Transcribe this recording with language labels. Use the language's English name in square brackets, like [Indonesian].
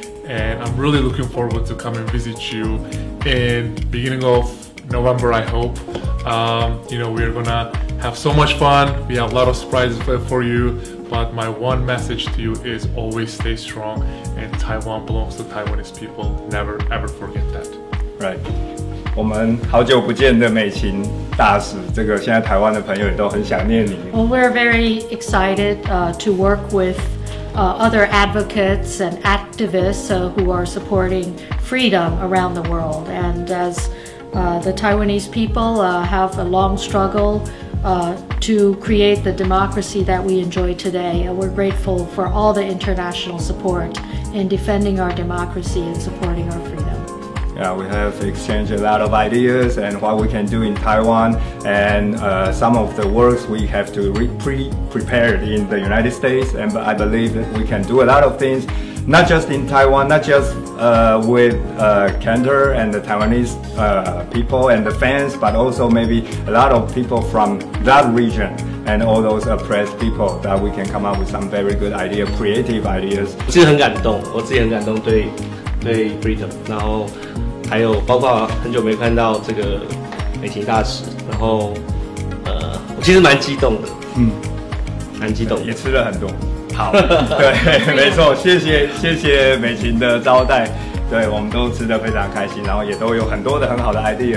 [English] And I'm really looking forward to come and visit you in beginning of November, I hope. You know, we're gonna have so much fun. We have a lot of surprises for you. But my one message to you is always stay strong. And Taiwan belongs to Taiwanese people. Never, ever forget that. Right. [Chinese] 我们好久不见的美琴大使，这个现在台湾的朋友也都很想念你。 [English] Well, we're very excited, to work withother advocates and activists who are supporting freedom around the world. And as the Taiwanese people have a long struggle to create the democracy that we enjoy today, we're grateful for all the international support in defending our democracy and supporting our freedom. Yeah, we have exchanged a lot of ideas and what we can do in Taiwan and some of the works we have to prepare in the United States. And I believe that we can do a lot of things, not just in Taiwan, not just with Kanter and the Taiwanese people and the fans, but also maybe a lot of people from that region and all those oppressed people that we can come up with some very good ideas, creative ideas. [Chinese] 我自己很感动，我自己很感动对对 Freedom， 然后还有包括很久没看到这个美琴大使，然后我其实蛮激动的，蛮激动也吃了很多，好，对，没错，谢谢美琴的招待，对，我们都吃得非常开心，然后也都有很多的很好的 idea，